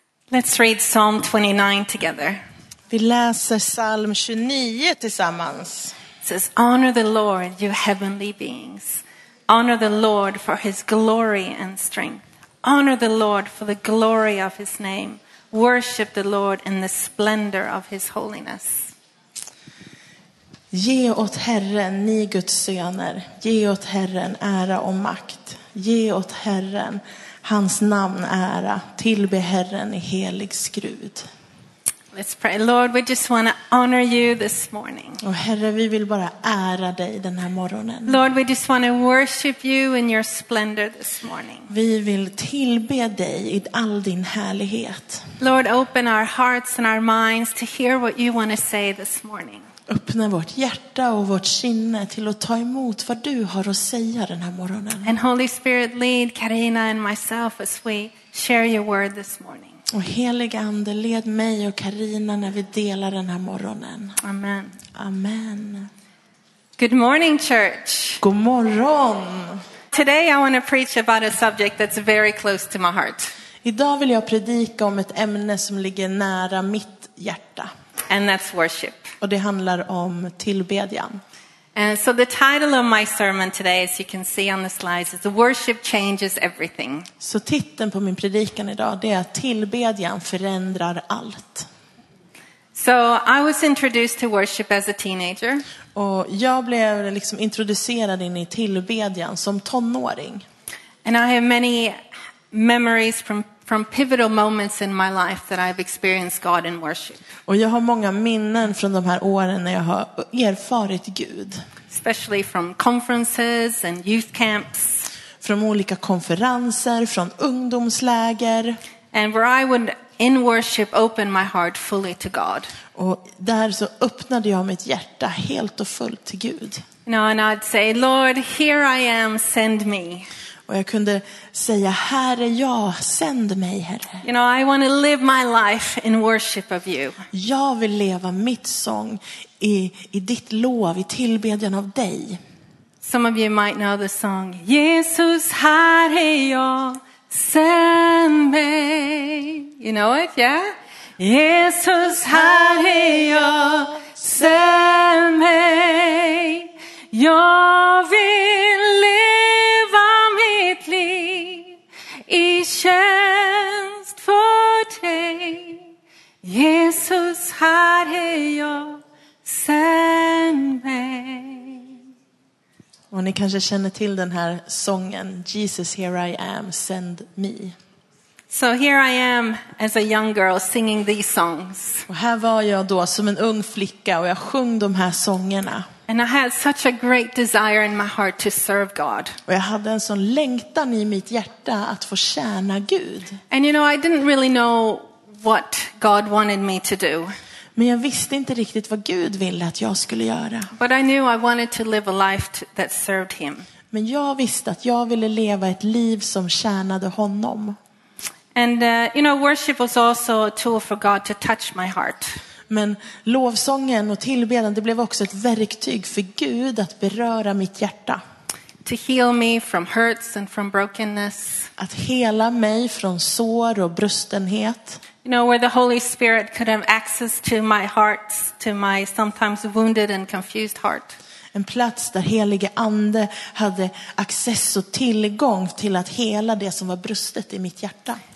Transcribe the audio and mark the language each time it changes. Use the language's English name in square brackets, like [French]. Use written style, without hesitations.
[English] Let's read Psalm 29 together. [Swedish] Vi läser Psalm 29 tillsammans. [English] It says, honor the Lord, you heavenly beings. Honor the Lord for his glory and strength. Honor the Lord for the glory of his name. Worship the Lord in the splendor of his holiness. [Swedish] Ge åt Herren, ni Guds söner. Ge åt Herren ära och makt. Ge åt Herren hans namn ära. Tillbe Herren i helig skrud. [English] Let's pray. Lord, we just want to honor you this morning. [Swedish] Och Herre, vi vill bara ära dig den här morgonen. [English] Lord, we just want to worship you in your splendor this morning. [Swedish] Vi vill tillbe dig i all din härlighet. [English] Lord, open our hearts and our minds to hear what you want to say this morning. [Swedish] Öppna vårt hjärta och vårt sinne till att ta emot vad du har att säga den här morgonen. [English] And Holy Spirit, lead Karina and myself as we share your word this morning. [Swedish] Och helig ande, led mig och Karina när vi delar den här morgonen. Amen. Amen. [English] Good morning, church. [Swedish] God morgon. [English] Today I want to preach about a subject that's very close to my heart. [Swedish] Idag vill jag predika om ett ämne som ligger nära mitt hjärta. [English] And that's worship. [Swedish] Och det handlar om tillbedjan. [English] And so the title of my sermon today, as you can see on the slides, is worship changes everything. [Swedish] Så titeln på min predikan idag, det är tillbedjan förändrar allt. [English] So I was introduced to worship as a teenager. [Swedish] Och jag blev liksom introducerad in i tillbedjan som tonåring. [English] And I have many memories from pivotal moments in my life that I've experienced God in worship. [Swedish] Och jag har många minnen från de här åren när jag har erfarit Gud. [English] Especially from conferences and youth camps. [Swedish] Från olika konferenser, från ungdomsläger. [English] And where I would in worship open my heart fully to God. [Swedish] Och där så öppnade jag mitt hjärta helt och fullt till Gud. [English] No, and I'd say, Lord, here I am, send me. [Swedish] Och jag kunde säga, Herre, jag, sänd mig, Herre. [English] You know, I want to live my life in worship of you. [Swedish] Jag vill leva mitt sång i ditt lov, i tillbedjan av dig. [English] Some of you might know the song, Jesus, [Swedish] Herre, jag, sänd mig. [English] You know it, yeah? [Swedish] Jesus, Herre, jag, sänd mig. Jag vill leva mitt liv i tjänst för dig. Jesus, här är jag, sänd mig. Och ni kanske känner till den här sången, Jesus, [English] here I am, send me. So here I am as a young girl singing these songs. [Swedish] Och här var jag då som en ung flicka och jag sjöng de här sångerna. [English] And I had such a great desire in my heart to serve God. [Swedish] Och jag hade en sån längtan i mitt hjärta att få tjäna Gud. [English] And you know, I didn't really know what God wanted me to do. [Swedish] Men jag visste inte riktigt vad Gud ville att jag skulle göra. [English] But I knew I wanted to live a life that served him. [Swedish] Men jag visste att jag ville leva ett liv som tjänade honom. [English] And you know, worship was also a tool for God to touch my heart. [Swedish] Men lovsången och tillbedjan, det blev också ett verktyg för Gud att beröra mitt hjärta. [English] To heal me from hurts and from brokenness. [Swedish] Att hela mig från sår och brustenhet. [English] You know, where the Holy Spirit could have access to my heart, to my sometimes wounded and confused heart. [Swedish] En plats där helige ande hade access och tillgång till att hela det som var brustet i mitt hjärta.